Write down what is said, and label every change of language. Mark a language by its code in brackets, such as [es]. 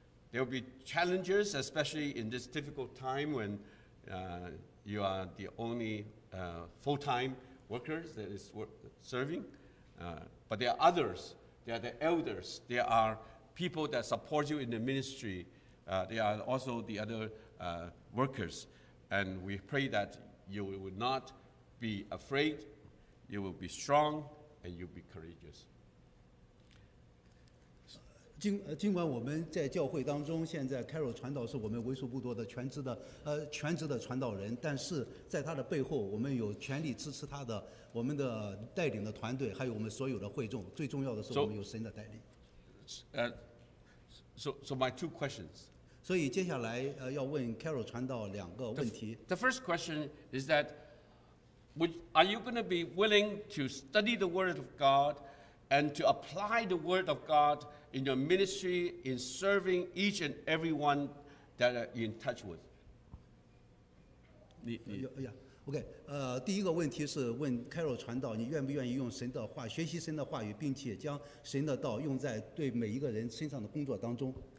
[en] There will be challenges, especially in this difficult time when you are the only full-time workers that is serving. But there are others. There are the elders. There are people that support you in the ministry. There are also the other workers. And we pray that you will not be afraid. You will be strong and you will be courageous. [zh] 尽管我们在教会当中，现在 Carol 传道是我们为数不多的全职的传道人，但是在他的背后，我们有全力支持他的我们的带领的团队，还有我们所有的会众。最重要的是，我们有神的带领。 [en] So my two questions. [zh] 所以接下来要问 Carol 传道两个问题。 [en] The first question is that, are you going to be willing to study the Word of God and to apply the Word of God in your ministry, in serving each and everyone that are in touch with? Yeah, okay. [zh] 第一个问题是问 Carol 传道，你愿不愿意用神的话，学习神的话语，并且将神的道用在对每一个人身上的工作当中。